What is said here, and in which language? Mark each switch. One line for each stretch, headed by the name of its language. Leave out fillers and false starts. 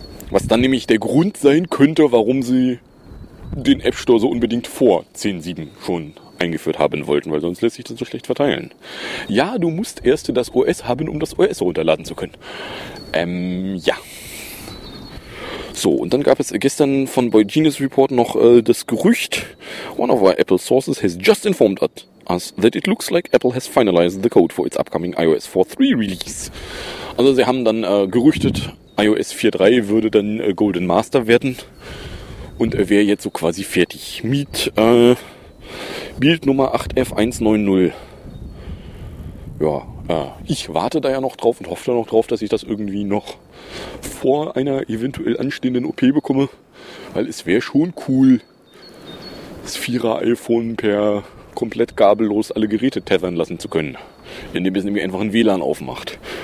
German: Was dann nämlich der Grund sein könnte, warum sie den App Store so unbedingt vor 10.7 schon eingeführt haben wollten, weil sonst lässt sich das so schlecht verteilen. Ja, du musst erst das OS haben, um das OS runterladen zu können. Ja. So, und dann gab es gestern von Boy Genius Report noch das Gerücht.
English: One of our Apple sources has just informed us that it looks like Apple has finalized the code for its upcoming iOS 4.3 release.
German: Also sie haben dann gerüchtet, iOS 4.3 würde dann Golden Master werden und wäre jetzt so quasi fertig. Miet, Bild Nummer 8F190. Ja, ich warte da ja noch drauf und hoffe da noch drauf, dass ich das irgendwie noch vor einer eventuell anstehenden OP bekomme, weil es wäre schon cool, das 4er iPhone per komplett gabellos alle Geräte tethern lassen zu können, indem es nämlich einfach ein WLAN aufmacht.